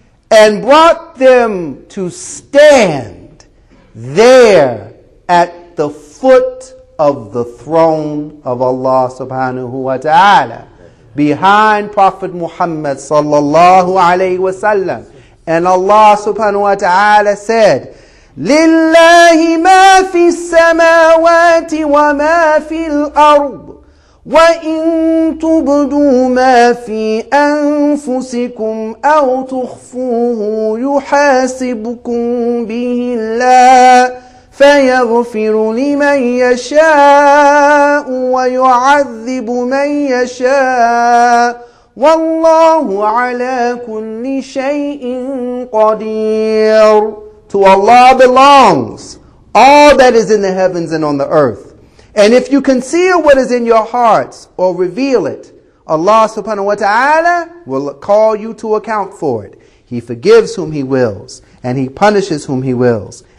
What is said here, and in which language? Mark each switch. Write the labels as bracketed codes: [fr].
[en] and brought them to stand there at the foot of the throne of Allah subhanahu wa ta'ala, behind Prophet Muhammad sallallahu alayhi wa sallam. And Allah subhanahu wa ta'ala said, [ar] لِلَّهِ مَا فِي السَّمَاوَاتِ وَمَا فِي الْأَرْضِ وَإِن تُبْدُوا مَا فِي أَنفُسِكُمْ أَوْ تُخْفُوهُ يُحَاسِبُكُمْ بِهِ اللَّهِ فَيَغْفِرُ لِمَنْ يَشَاءُ وَيُعَذِّبُ مَنْ يَشَاءُ وَاللَّهُ عَلَى كُلِّ شَيْءٍ قَدِيرٌ. [en] To Allah belongs all that is in the heavens and on the earth. And if you conceal what is in your hearts or reveal it, Allah subhanahu wa ta'ala will call you to account for it. He forgives whom He wills, and He punishes whom He wills.